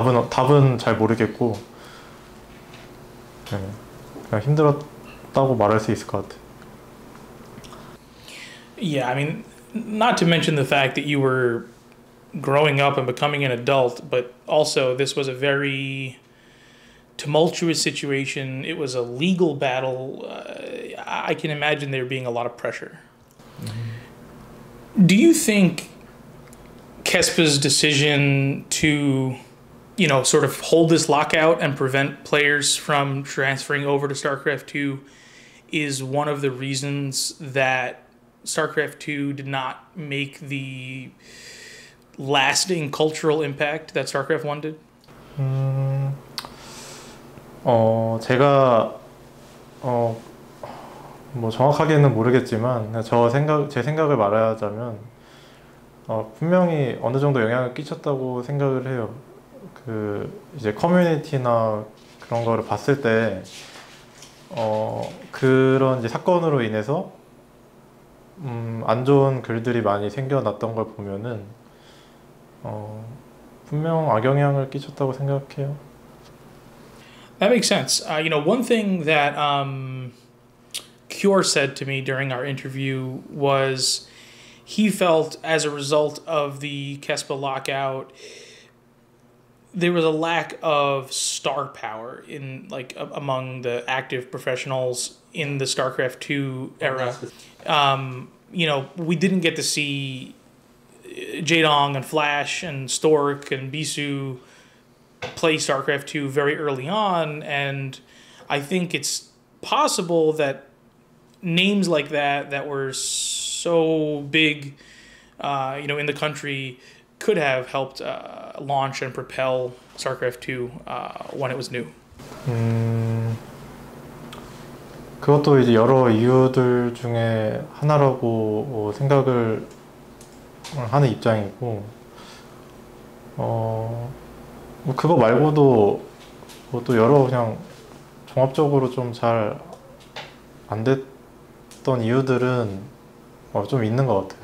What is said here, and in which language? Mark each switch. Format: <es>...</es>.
<ko>답은 잘 모르겠고 그냥 힘들었다고 말할 수 있을 것 같아요.</ko> <en>Yeah, I mean, not to mention the fact that you were growing up and becoming an adult, but also this was a very tumultuous situation. It was a legal battle. I can imagine there being a lot of pressure. Do you think KESPA's decision to, you know, sort of hold this lockout and prevent players from transferring over to StarCraft 2 is one of the reasons that StarCraft 2 did not make the lasting cultural impact that StarCraft 1 did?</en> <ko>제가 뭐 정확하게는 모르겠지만 제 생각을 말하자면 분명히 어느 정도 영향을 끼쳤다고 생각을 해요. 그 이제 커뮤니티나 그런 거를 봤을 때 그런 이제 사건으로 인해서 안 좋은 글들이 많이 생겨났던 걸 보면은 분명 악영향을 끼쳤다고 생각해요.</ko> <en>That makes sense. You know, one thing that Cure said to me during our interview was he felt as a result of the KESPA lockout there was a lack of star power in among the active professionals in the StarCraft 2 era. You know, we didn't get to see Jadong and Flash and Stork and Bisou play StarCraft 2 very early on, and I think it's possible that names like that were so big, you know, in the country could have helped launch and propel StarCraft 2 when it was new.</en> <ko>그것도 이제 여러 이유들 중에 하나라고 생각을 하는 입장이고, 뭐 그거 말고도 뭐 또 여러 그냥 종합적으로 좀 잘 안 됐던 이유들은 좀 있는 것 같아요.</ko>